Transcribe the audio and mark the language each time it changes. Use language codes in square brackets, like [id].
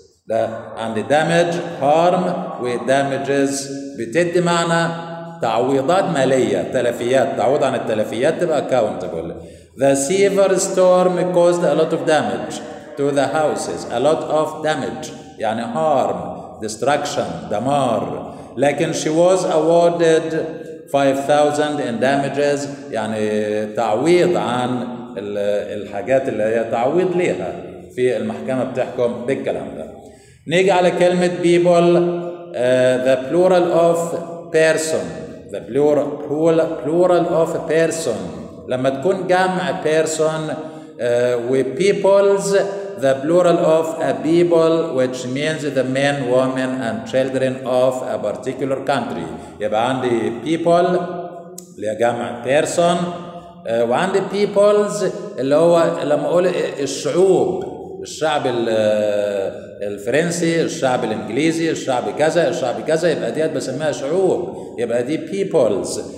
[ar] ده عندي damage harm وdamages بتدي معنى تعويضات مالية، تلفيات، تعويض عن التلفيات تبقى countable. [en] The silver storm caused a lot of damage to the houses. A lot of damage يعني harm, destruction, دمار. [ar] لكن [en] she was awarded 5,000 in damages [ar] يعني تعويض عن الحاجات اللي هي تعويض ليها في المحكمة بتحكم بالكلام ده. نيجي على كلمة people [en] the plural of person. The plural of person [ar] لما تكون جمع [en] person وpeoples the plural of a people which means the men, women and children of a particular country. [ar] يبقى عندي people اللي جمع person وعندي peoples اللي هو لما اقول الشعوب، الشعب الفرنسي، الشعب الانجليزي، الشعب كذا، الشعب كذا، يبقى ديت بسميها شعوب، يبقى دي peoples.